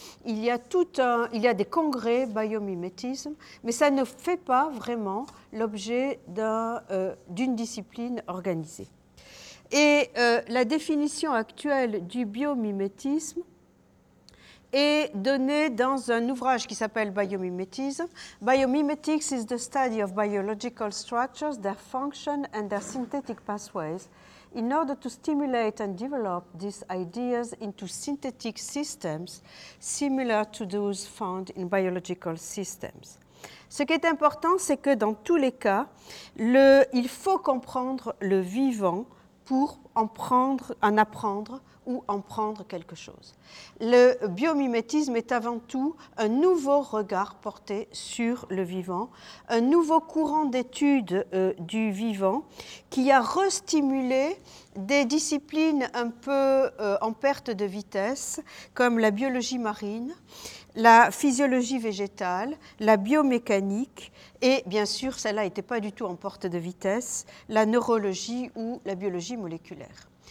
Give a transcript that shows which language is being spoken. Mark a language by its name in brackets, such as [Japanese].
[French] Il y a des congrès Biomimétisme, mais ça ne fait pas vraiment l'objet d'une discipline organisée. Et la définition actuelle du biomimétisme est donnée dans un ouvrage qui s'appelle Biomimétisme. [English] Biomimetics is the study of biological structures, their function and their synthetic pathways. In order to stimulate and develop these ideas into synthetic systems similar to those found in biological systems. [French] Ce qui est important, c'est que dans tous les cas, il faut comprendre le vivant pour en apprendre ou en prendre quelque chose. Le biomimétisme est avant tout un nouveau regard porté sur le vivant, un nouveau courant d'études du vivant qui a restimulé des disciplines un peu en perte de vitesse, comme la biologie marine, la physiologie végétale, la biomécanique et, bien sûr, celle-là n'était pas du tout en porte de vitesse, la neurologie ou la biologie moléculaire.